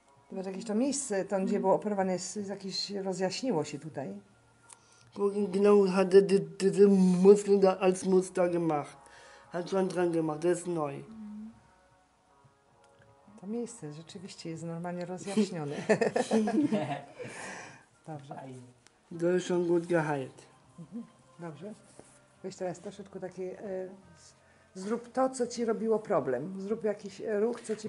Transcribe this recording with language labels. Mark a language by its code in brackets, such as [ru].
[pl] To jest jakieś to miejsce, tam gdzie było operowane, jest jakieś, rozjaśniło się tutaj. [de] Genau, hat er diese Muskeln da als Muster gemacht. Hat schon dran gemacht, das ist neu. [pl] To miejsce rzeczywiście jest normalnie rozjaśnione. Dobrze. To jest [de] schon gut geheilt. [pl] Dobrze. Weź teraz troszeczkę takie... zrób to, co ci robiło problem. Zrób jakiś ruch, co ci